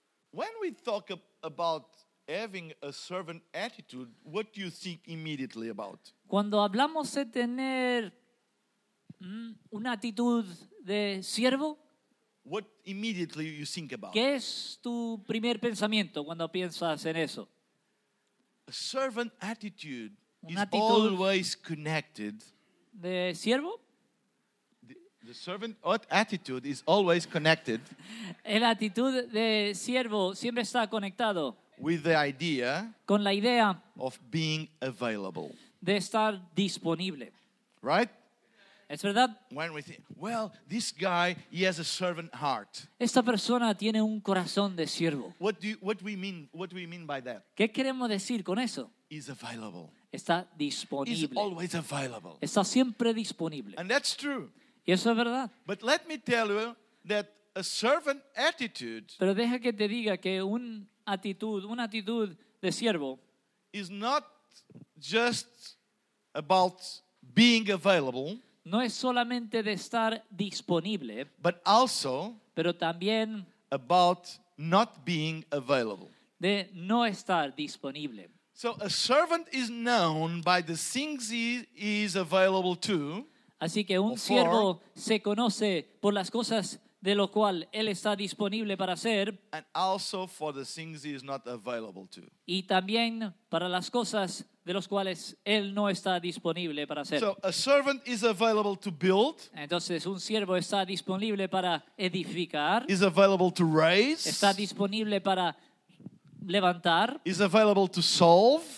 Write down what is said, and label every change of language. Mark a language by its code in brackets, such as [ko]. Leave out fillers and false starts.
[en] When we talk about having a servant attitude, what do you think immediately about? [es] Cuando hablamos de tener una actitud de siervo, [en] what immediately you think about? [es] ¿Qué es tu primer pensamiento cuando piensas en eso? [en] A servant attitude is always connected. [es] ¿De siervo? [en] The servant attitude is always connected. [es] La actitud de siervo siempre está conectado. [en] with the idea, [es] con la idea [en] of being available. [es] De estar disponible. [en] Right? [es] ¿Es verdad? [en] When we think, well, this guy, he has a servant heart. [es] Esta persona tiene un corazón de siervo. [en] What do we mean by that? [es] ¿Qué queremos decir con eso? [en] He's available. [es] Está disponible. [en] He's always available. [es] Está siempre disponible. [en] And that's true. [es] Y eso es verdad. [en] But let me tell you that a servant attitude, [es] pero deja que te diga que una actitud de siervo, [en] is not just about being available, [es] no es solamente de estar disponible, [en] but also, [es] pero también, [en] about not being available, [es] de no estar disponible. [en] So a servant is known by the things he is available to. [es] Así que un siervo se conoce por las cosas de lo cual él está disponible para hacer. [en] And also for the things he is not available to. [es] Y también para las cosas de los cuales él no está disponible para hacer. [en] So a servant is available to build. [es] Entonces un siervo está disponible para edificar. [en] Is available to raise. [es] Está disponible para levantar. [en] Is available to solve.